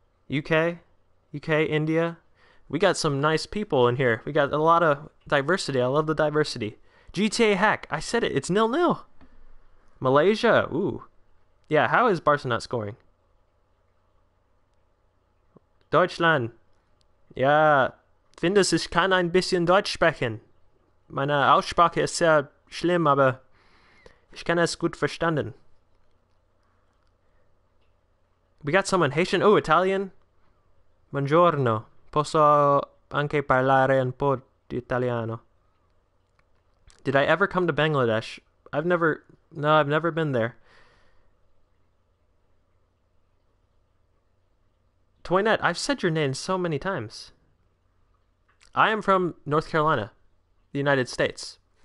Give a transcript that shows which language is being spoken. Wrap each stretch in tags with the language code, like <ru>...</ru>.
<en>UK. UK, India. We got some nice people in here. We got a lot of diversity. I love the diversity. GTA hack. I said it. It's 0-0. Malaysia. Ooh. Yeah, how is Barca not scoring? Deutschland. Yeah.</en> <de>Finde ich kann ein bisschen Deutsch sprechen. Meine Aussprache ist sehr schlimm, aber ich kann es gut verstanden.</de> <en>We got someone Haitian. Oh, Italian. Buongiorno.</en> <it>Posso anche parlare un po' di italiano?</it> <en>Did I ever come to Bangladesh? I've never been there. Toynette, I've said your name so many times. I am from North Carolina, the United States.</en>